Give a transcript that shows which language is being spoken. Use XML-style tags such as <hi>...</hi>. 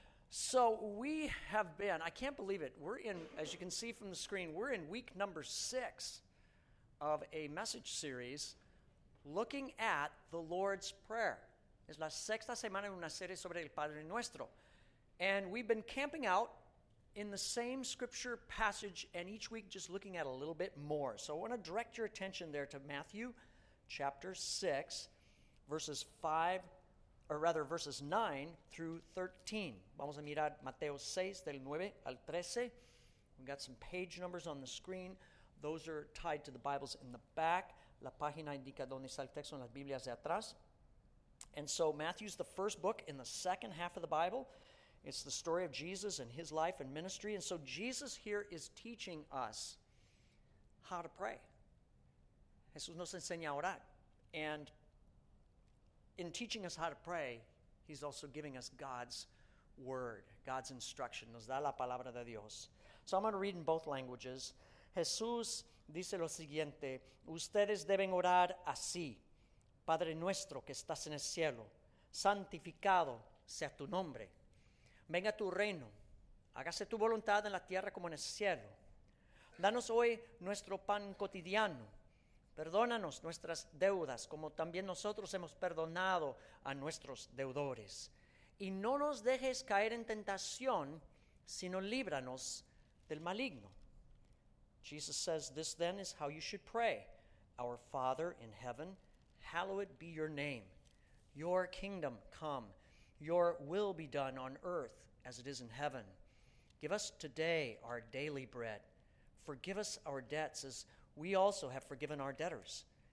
<en>So we have been, I can't believe it, we're in, as you can see from the screen, we're in week number 6 of a message series looking at the Lord's Prayer.</en> <es>Es la sexta semana en una serie sobre el Padre Nuestro.</es> <en>And we've been camping out in the same scripture passage and each week just looking at a little bit more. So I want to direct your attention there to Matthew chapter 6, verses 5 or rather verses 9 through 13.</en> <es>Vamos a mirar Mateo 6, del 9 al 13.</es> <en>We've got some page numbers on the screen. Those are tied to the Bibles in the back.</en> <es>La página indica donde está el texto en las Biblias de atrás.</es> <en>And so Matthew's the first book in the second half of the Bible. It's the story of Jesus and his life and ministry. And so Jesus here is teaching us how to pray.</en> <es>Jesús nos enseña a orar.</es> <en>And in teaching us how to pray, he's also giving us God's word, God's instruction.</en> <es>Nos da la palabra de Dios.</es> <en>So I'm going to read in both languages.</en> <es>Jesús dice lo siguiente. Ustedes deben orar así. Padre nuestro que estás en el cielo, santificado sea tu nombre. Venga tu reino. Hágase tu voluntad en la tierra como en el cielo. Danos hoy nuestro pan cotidiano. Perdónanos nuestras deudas, como también nosotros hemos perdonado a nuestros deudores. Y no nos dejes caer en tentación, sino líbranos del maligno.</es> <en>Jesus says, this then is how you should pray. Our Father in heaven, hallowed be your name. Your kingdom come. Your will be done on earth as it is in heaven. Give us today our daily bread. Forgive us our debts as we also have forgiven our debtors.</en>